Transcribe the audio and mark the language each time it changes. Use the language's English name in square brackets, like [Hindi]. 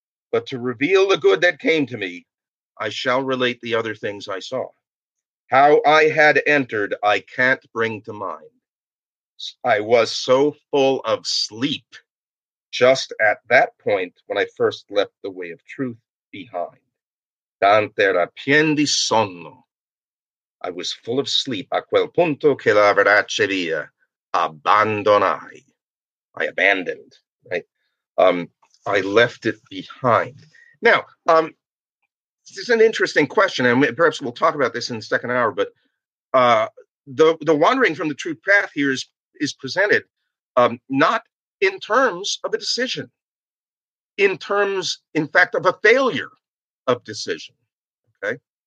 [English] But to reveal the good that came to me, I shall relate the other things I saw. How I had entered, I can't bring to mind. I was so full of sleep, just at that point when I first left the way of truth behind. [Italian] Tant era pien di sonno. [English] I was full of sleep. [Italian] A quel punto che la verace via abbandonai. [English] I abandoned, right? I left it behind. Now, this is an interesting question, and perhaps we'll talk about this in the second hour, but the wandering from the true path here is presented not in terms of a decision, in terms, in fact, of a failure of decision. Okay.